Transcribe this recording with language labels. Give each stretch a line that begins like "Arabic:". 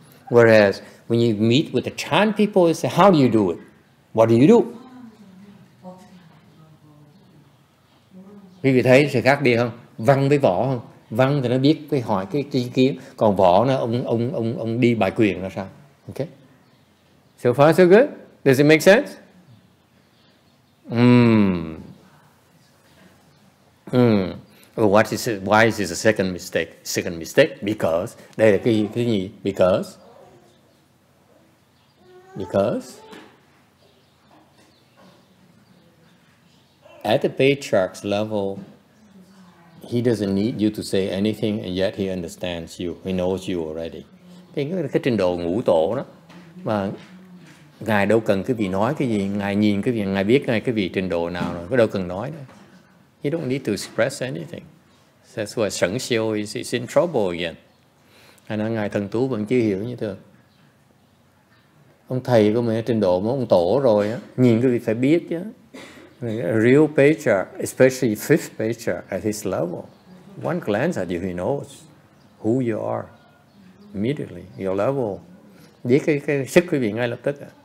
English: Whereas when you meet with the Chan people, you say, how do you do it? What do you do?
Vietnamese: Quý vị thấy sự khác biệt không? Văn với võ không? Văn thì nó biết cái hỏi cái ý kiến, còn võ nó ông đi bài quyền là sao?
English: Okay. So far so good. Does it make sense? Well, what is it? Why is this a second mistake? Second mistake because
Vietnamese: đây là cái gì?
English: Because at the patriarch's level, he doesn't need you to say anything, and yet he understands you. He knows you already.
Vietnamese: Cái trình độ ngũ tổ đó, mà ngài đâu cần cái vị nói cái gì, ngài nhìn cái vị, ngài biết ngay cái vị trình độ nào rồi, có đâu cần nói đâu.
English: You don't need to express anything. That's why Sẩn Siêu is in trouble again.
Vietnamese: Hay nói ngài thần tú vẫn chưa hiểu như thường. Ông thầy của mình trình độ mà ông tổ rồi á, nhìn cái vị phải biết chứ.
English: A real patriarch, especially fifth patriarch at his level, one glance at you, he knows who you are immediately, your level.
Vietnamese: Biết cái sức quý vị ngay lập tức.